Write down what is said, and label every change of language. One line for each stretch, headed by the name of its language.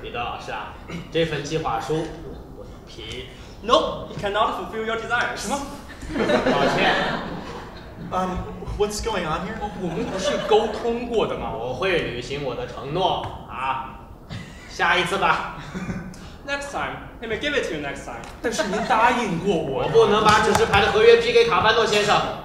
Chinese: 彼得老师啊，这份计划书我不能批。
English: No, he cannot fulfill your desires.
Chinese: 什么？抱歉。
English: What's going on here?
Chinese: 我们不是沟通过的吗？我会履行我的承诺啊，下一次吧。
English: Next time, he may give it to you next time.
Chinese: 但是您答应过我。我不能把指示牌的合约批给卡班诺先生。